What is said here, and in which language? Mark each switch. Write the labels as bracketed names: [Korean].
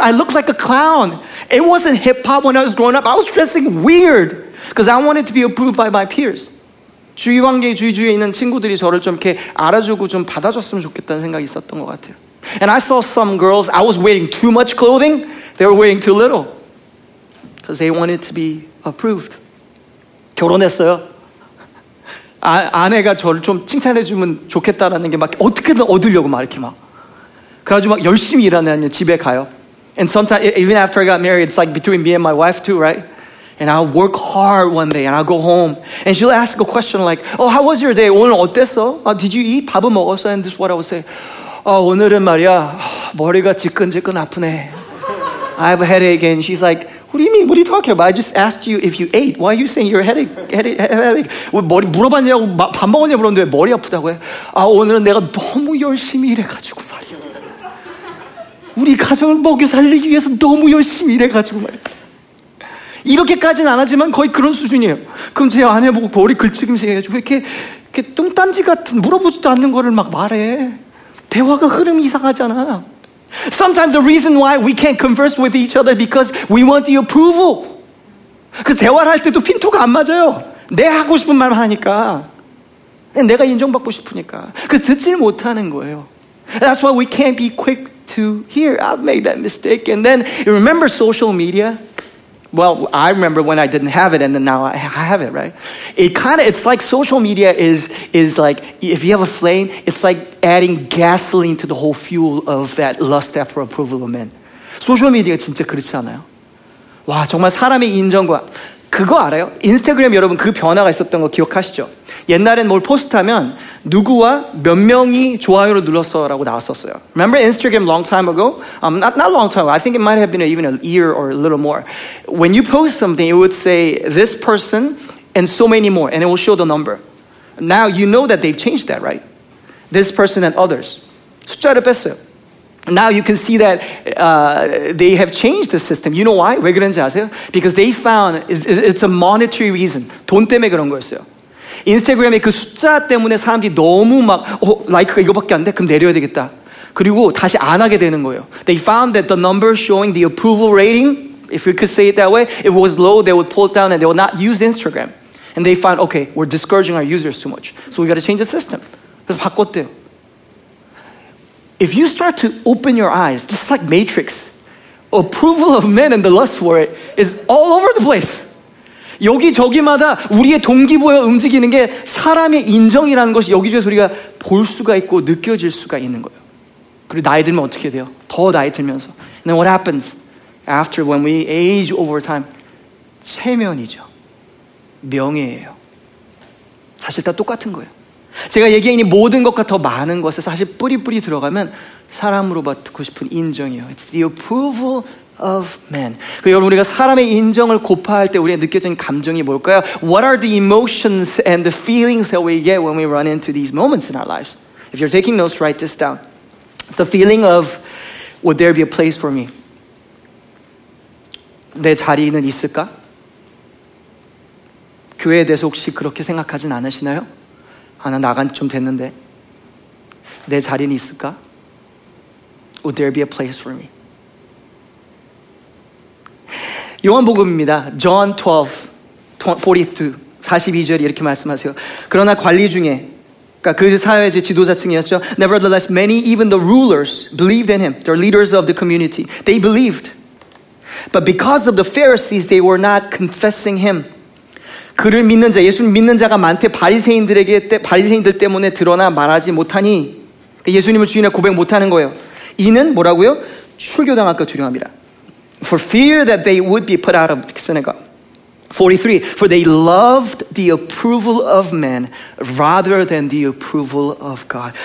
[English] I looked like a clown. It wasn't hip-hop when I was growing up. I was dressing weird because I wanted to be approved by my peers. [Korean] 주위 관계, 주위에 있는 친구들이 저를 좀 이렇게 알아주고 좀 받아줬으면 좋겠다는 생각이 있었던 것 같아요. [English] And I saw some girls. I was wearing too much clothing. They were wearing too little. Because they wanted to be approved. [Korean] 결혼했어요. 아내가 저를 좀 칭찬해주면 좋겠다라는 게 막 어떻게든 얻으려고 막 이렇게 막. 그래가지고 막 열심히 일하는 게 집에 가요. [English] And sometimes, even after I got married, it's like between me and my wife too, right? And I'll work hard one day and I'll go home. And she'll ask a question like, oh, how was your day? [Korean] 오늘 어땠어? [English] Did you eat? [Korean] 밥을 먹었어? [English] And this is what I would say. [Korean] Oh, 오늘은 말이야, 머리가 지끈지끈 아프네. [English] I have a headache. And she's like, what do you mean? What are you talking about? I just asked you if you ate. Why are you saying you're a headache? [Korean] 머리 물어봤냐고, 밥 먹었냐고 그러는데 머리 아프다고 해. 아, 오늘은 내가 너무 열심히 일해가지고 말이야. 우리 가정을 먹여 살리기 위해서 너무 열심히 일해가지고 말이야. 이렇게까지는 안 하지만 거의 그런 수준이에요. 그럼 제 아내 보고 머리 긁지금씩 해가지고 왜 이렇게 뚱딴지 같은 물어보지도 않는 거를 막 말해. 대화가 흐름이 이상하잖아. [English] Sometimes the reason why we can't converse with each other because we want the approval. [Korean] 그 대화를 할 때도 핀토가 안 맞아요. 내 하고 싶은 말만 하니까. 내가 인정받고 싶으니까. 그 듣질 못하는 거예요. [English] That's why we can't be quick to hear. I've made that mistake. And then, remember social media? Well, I remember when I didn't have it and then now I have it, right? It kind of, it's like social media is like, if you have a flame, it's like adding gasoline to the whole fuel of that lust after approval of men. [Korean] Social media 진짜 그렇지 않아요? 와, 정말 사람의 인정과, 그거 알아요? 인스타그램 여러분 그 변화가 있었던 거 기억하시죠? 옛날엔 뭘 포스트하면 누구와 몇 명이 좋아요를 눌렀어라고 나왔었어요. [English] Remember Instagram long time ago? Not long time ago. I think it might have been even a year or a little more. When you post something, it would say this person and so many more. And it will show the number. Now you know that they've changed that, right? This person and others. [Korean] 숫자를 뺐어요. [English] Now you can see that they have changed the system. You know why? [Korean] 왜 그런지 아세요? [English] Because they found it's a monetary reason. [Korean] 돈 때문에 그런 거였어요. 인스타그램의 그 숫자 때문에 사람들이 너무 막 라이크가 이거밖에 안 돼? 그럼 내려야 되겠다. 그리고 다시 안 하게 되는 거예요. [English] They found that the number showing the approval rating, if we could say it that way, if it was low, they would pull it down and they would not use Instagram. And they found, okay, we're discouraging our users too much. So we got to change the system. [Korean] 그래서 바꿨대요. [English] If you start to open your eyes, this is like Matrix. Approval of men and the lust for it is all over the place. [Korean] 여기 저기마다 우리의 동기부여 움직이는 게 사람의 인정이라는 것이 여기저기서 우리가 볼 수가 있고 느껴질 수가 있는 거예요. 그리고 나이 들면 어떻게 돼요? 더 나이 들면서. And then what happens? After when we age over time, 체면이죠. 명예예요. 사실 다 똑같은 거예요. 제가 얘기하니 모든 것과 더 많은 것에 사실 뿌리뿌리 들어가면 사람으로 받고 싶은 인정이에요. [English] It's the approval of men. [Korean] 그리고 여러분 우리가 사람의 인정을 고파할 때 우리가 느껴지는 감정이 뭘까요? [English] What are the emotions and the feelings that we get when we run into these moments in our lives? If you're taking notes, write this down. It's the feeling of, would there be a place for me? [Korean] 내 자리는 있을까? 교회에 대해서 혹시 그렇게 생각하진 않으시나요? 아, 나 나간 지 좀 됐는데 내 자리는 있을까? [English] Would there be a place for me? [Korean] 요한복음입니다. John 12:42, 42절이 이렇게 말씀하세요. 그러나 관리 중에, 그러니까 그 사회의 지도자층이었죠. [English] Nevertheless, many, even the rulers, believed in him. They're leaders of the community. They believed. But because of the Pharisees, they were not confessing him. [Korean] 그를 믿는 자, 예수님 믿는 자가 많대 바리새인들 때문에 드러나 말하지 못하니 그러니까 예수님을 주인의 고백 못하는 거예요. 이는 뭐라고요? 출교당할까 두려워합니다. [English] For fear that they would be put out of the synagogue. 43. For they loved the approval of men rather than the approval of God.